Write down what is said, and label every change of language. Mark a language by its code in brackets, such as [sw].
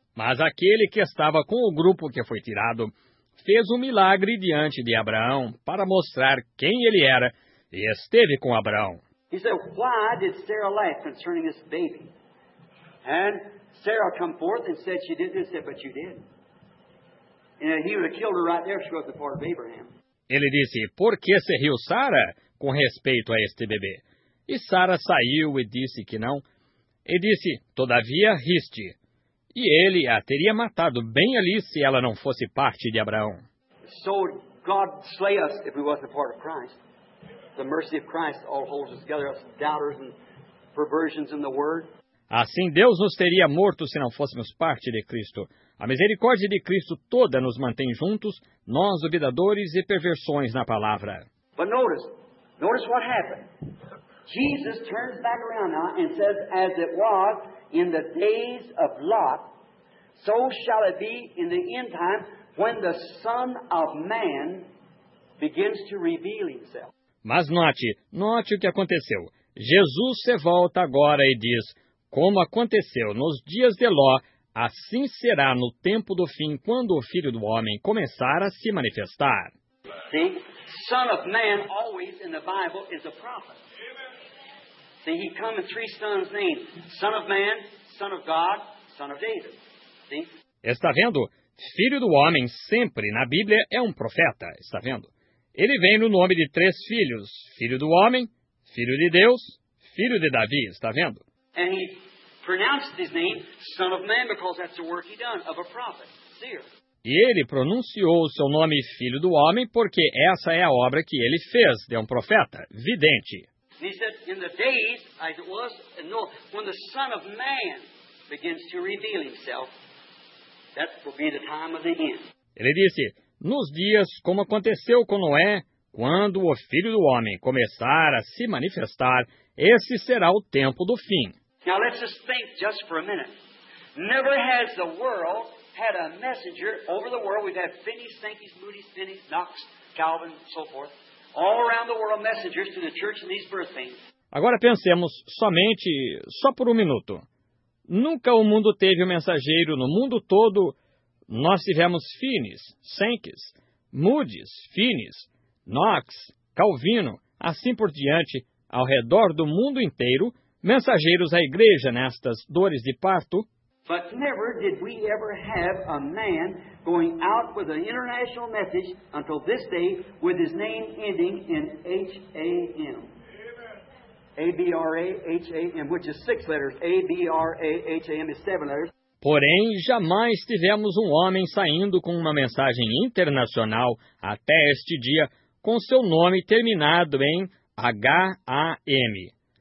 [pt] Mas aquele que estava com o grupo que foi tirado, fez um milagre diante de Abraão para mostrar quem ele era. E esteve com Abraão. [en] He said, why did Sarah laugh concerning this baby? And Sarah come forth and said, she didn't. He said, but you did. And he would have killed her right there if she was the part of Abraham. [pt] Ele disse, por que se riu Sarah com respeito a este bebê? E Sarah saiu e disse que não. E disse, todavia riste. E ele a teria matado bem ali se ela não fosse parte de Abraão. [en] So God slay us if we was the part of Christ. The mercy of Christ all holds us together, us doubters and perversions in the word. [pt] Assim Deus nos teria morto se não fôssemos parte de Cristo. A misericórdia de Cristo toda nos mantém juntos, nós duvidadores e perversões na palavra. [en] But notice what happened. Jesus turns back around now and says, as it was in the days of Lot, so shall it be in the end time when the Son of Man begins to reveal himself. [pt] Mas note o que aconteceu. Jesus se volta agora e diz, como aconteceu nos dias de Ló, assim será no tempo do fim, quando o Filho do Homem começar a se manifestar. [en] See, Son of Man, always in the Bible, is a prophet. See, he come in three sons' names. Son of Man, Son of God, Son of David. See? [pt] Está vendo? Filho do Homem, sempre na Bíblia, é um profeta. Está vendo? Ele vem no nome de três filhos, Filho do Homem, Filho de Deus, Filho de Davi, está vendo? [en] And he pronounced his name, Son of Man, because that's the work he done, of a prophet, seer. [pt] E ele pronunciou o seu nome, Filho do Homem, porque essa é a obra que ele fez, de um profeta, vidente. [en] And he said, in the days, as it was, no, when the Son of Man begins to reveal himself, that will be the time of the end. [pt] Ele disse, nos dias, como aconteceu com Noé, quando o Filho do Homem começar a se manifestar, esse será o tempo do fim. [en] Now let's just think just for a minute. Never has the world had a messenger over the world. We've had Finney's, Sankey's, Moody's, Finney's, Knox, Calvin, and so forth. All around the world, messengers to the church in these birth things. [pt] Agora pensemos somente, só por um minuto. Nunca o mundo teve um mensageiro no mundo todo. Nós tivemos Finis, Sankeys, Moody's, Finis, Knox, Calvino, assim por diante, ao redor do mundo inteiro, mensageiros à igreja nestas dores de parto. [en] But never did we ever have a man going out with an international message until this day with his name ending in H-A-M. A-B-R-A-H-A-M, which is six letters. A-B-R-A-H-A-M is seven letters. [pt] Porém, jamais tivemos um homem saindo com uma mensagem internacional até este dia com seu nome terminado em H-A-M.